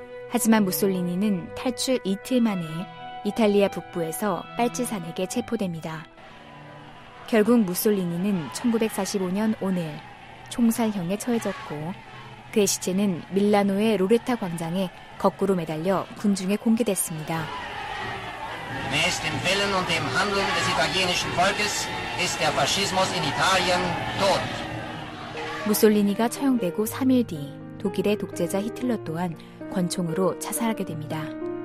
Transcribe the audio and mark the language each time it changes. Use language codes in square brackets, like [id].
[ko] 하지만 무솔리니는 탈출 이틀 만에 이탈리아 북부에서 빨치산에게 체포됩니다. 결국 무솔리니는 1945년 오늘 총살형에 처해졌고 그의 시체는 밀라노의 로레타 광장에 거꾸로 매달려 군중에 공개됐습니다. [de] Nach dem Willen und dem Handeln des italienischen Volkes ist der Faschismus in Italien tot. [ko] 무솔리니가 처형되고 3일 뒤 독일의 독재자 히틀러 또한 권총으로 자살하게 됩니다.